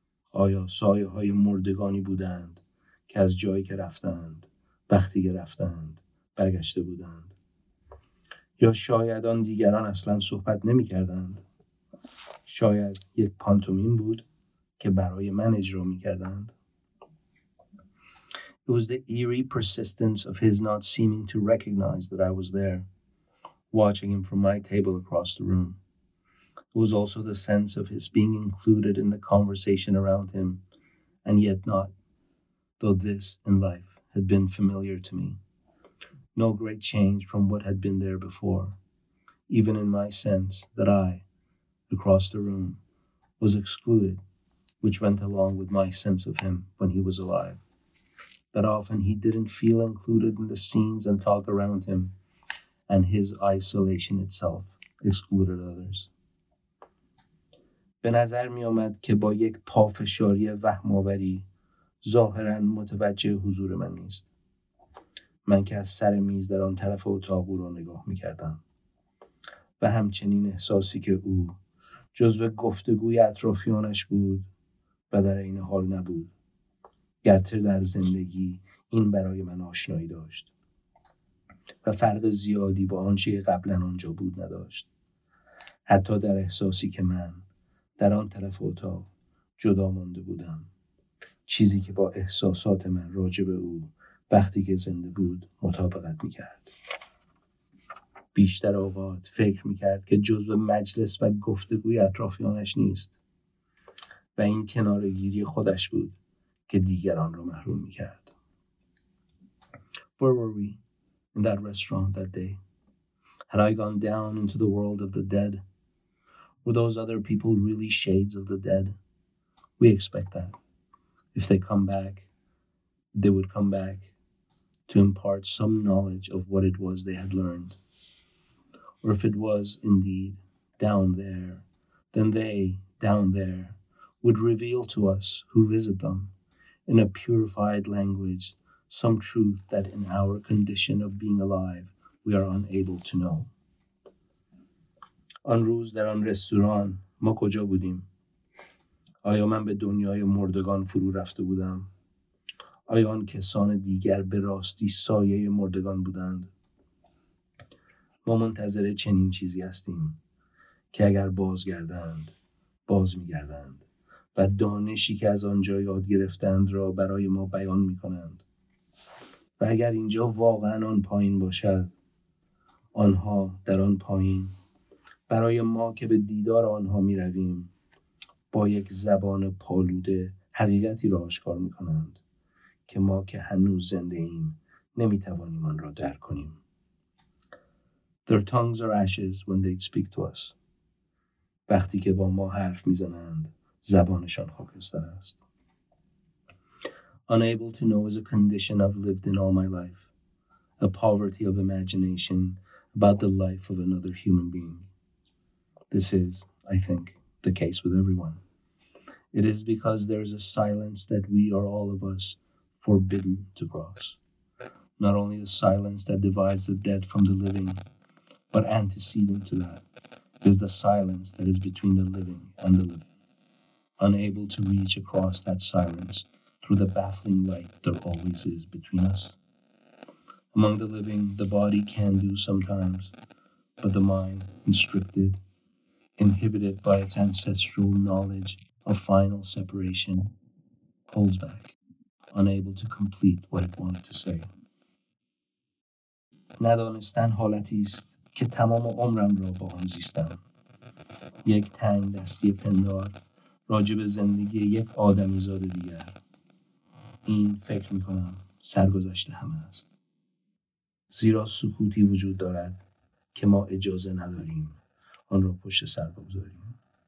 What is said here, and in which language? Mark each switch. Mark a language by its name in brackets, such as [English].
[Persian] آیا سایه‌های مردگانی بودند که از جایی که رفتند وقتی که رفتند برگشته بودند؟ یا شاید آن دیگران اصلا صحبت نمی کردند؟ شاید یک پانتومیم بود که برای من اجرا می کردند؟ [English] It was the eerie persistence of his not seeming to recognize that I was there, watching him from my table across the room. It was also the sense of his being included in the conversation around him, and yet not, though this in life had been familiar to me. No great change from what had been there before, even in my sense that I, across the room, was excluded, which went along with my sense of him when he was alive. That often he didn't feel included in the scenes and talk around him, and his isolation itself excluded others. [Persian] به نظر می آمد که با یک پافشاری وهم‌آوری ظاهراً متوجه حضور من نیست. من که از سر میز در آن طرف اتاق او را نگاه می کردم و همچنین احساسی که او جزو گفتگوی اطرافیانش بود و در این حال نبود. گرتر در زندگی این برای من آشنایی داشت و فرق زیادی با آنچه قبلاً آنجا بود نداشت. حتی در احساسی که من در آن طرف اتاق جدا مانده بودم. چیزی که با احساسات من راجع به او وقتی که زنده بود مطابقت می‌کرد. بیشتر اوقات فکر می‌کرد که جزء مجلس و گفتگوی اطرافیانش نیست و این کنارگیری خودش بود که دیگران را محروم می‌کرد. [English] Where were we in that restaurant that day? Had I gone down into the world of the dead? Were those other people really shades of the dead? We expect that. If they come back, they would come back to impart some knowledge of what it was they had learned. Or if it was indeed down there, then they, down there, would reveal to us who visit them in a purified language some truth that in our condition of being alive, we are unable to know. [Persian] آن روز در آن رستوران ما کجا بودیم؟ آیا من به دنیای مردگان فرو رفته بودم؟ آیا آن کسان دیگر به راستی سایه مردگان بودند؟ ما منتظر چنین چیزی هستیم که اگر بازگردند، باز می‌گردند و دانشی که از آنجا یاد گرفتند را برای ما بیان می‌کنند. و اگر اینجا واقعاً آن پایین باشد، آنها در آن پایین برای ما که به دیدار آنها می رویم با یک زبان پالوده حقیقتی را آشکار می کنند که ما که هنوز زنده ایم نمی توانیم آن را درک کنیم. [English] Their tongues are ashes when they speak to us. [Persian] وقتی که با ما حرف می زنند زبانشان خاکستر است. [English] Unable to know is a condition I've lived in all my life. A poverty of imagination about the life of another human being. This is, I think, the case with everyone. It is because there is a silence that we are all of us forbidden to cross. Not only the silence that divides the dead from the living, but antecedent to that is the silence that is between the living and the living. Unable to reach across that silence through the baffling light there always is between us. Among the living, the body can do sometimes, but the mind, constricted, inhibited by its ancestral knowledge of final separation, holds back, unable to complete what it wanted to say. [Persian] ندانستن حالتی است که تمام عمرم را با آن زیستم. یک تنگ دستی پندار راجب زندگی یک آدمیزاد دیگر. این فکر می کنم سرگذشت همه است. زیرا سکوتی وجود دارد که ما اجازه نداریم آن را پشت سر بگذاریم.